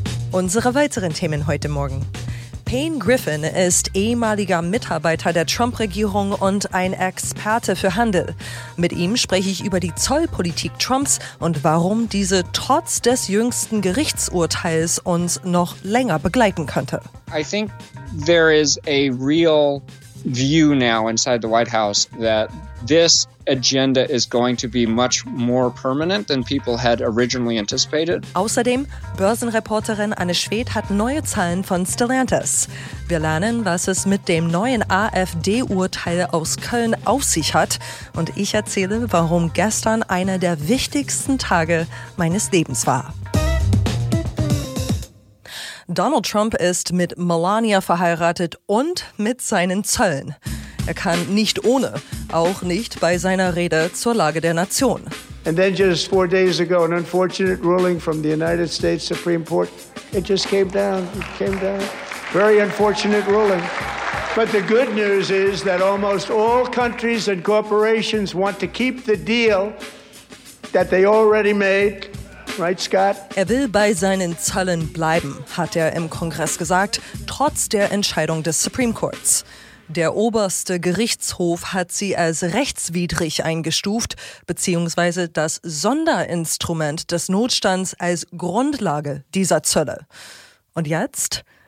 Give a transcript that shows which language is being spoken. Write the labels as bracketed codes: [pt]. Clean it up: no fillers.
[de] Unsere weiteren Themen heute Morgen. Payne Griffin ist ehemaliger Mitarbeiter der Trump-Regierung und ein Experte für Handel. Mit ihm spreche ich über die Zollpolitik Trumps und warum diese trotz des jüngsten Gerichtsurteils uns noch länger begleiten könnte. [en] I think there is a real view now inside the White House that this agenda is going to be much more permanent than people had originally anticipated. [de] Außerdem, Börsenreporterin Anne Schwed hat neue Zahlen von Stellantis. Wir lernen, was es mit dem neuen AfD-Urteil aus Köln auf sich hat. Und ich erzähle, warum gestern einer der wichtigsten Tage meines Lebens war. Donald Trump ist mit Melania verheiratet und mit seinen Zöllen. Er kann nicht ohne, auch nicht bei seiner Rede zur Lage der Nation. [en] And then just 4 days ago, an unfortunate ruling from the United States Supreme Court, it just came down, it came down. Very unfortunate ruling. But the good news is that almost all countries and corporations want to keep the deal that they already made. Right, Scott? [de] Er will bei seinen Zöllen bleiben, hat er im Kongress gesagt, trotz der Entscheidung des Supreme Courts. Der oberste Gerichtshof hat sie als rechtswidrig eingestuft, beziehungsweise das Sonderinstrument des Notstands als Grundlage dieser Zölle. Und jetzt?